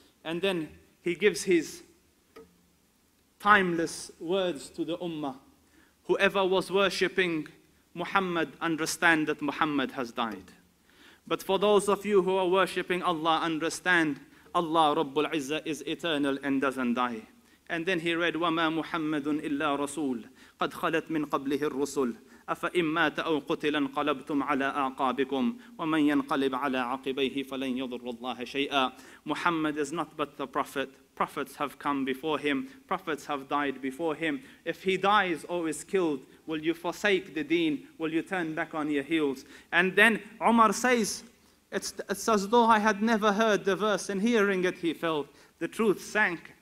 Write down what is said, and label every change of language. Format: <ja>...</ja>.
<en>And then he gives his timeless words to the ummah. Whoever was worshipping Muhammad, understand that Muhammad has died. But for those of you who are worshipping Allah, understand Allah Rabbul Izzah is eternal and doesn't die. And then he read,</en> <ar>وَمَا مُحَمَّدٌ إِلَّا رَسُولٌ قَدْ خَلَتْ مِنْ قَبْلِهِ الرُّسُولِ أَفَإِنْ مَاتَ أَوْ قُتِلَ انْقَلَبْتُمْ عَلَىٰ أَعْقَابِكُمْ وَمَنْ يَنْقَلِبْ عَلَىٰ عَقِبَيْهِ فَلَنْ يَضُرُّ اللَّهَ شَيْئًا.</ar> <en>Muhammad is not but the Prophet. Prophets have come before him. Prophets have died before him. If he dies or is killed, will you forsake the deen? Will you turn back on your heels? And then Umar says, it's as though I had never heard the verse, and hearing it, he fell. The truth sank.</en>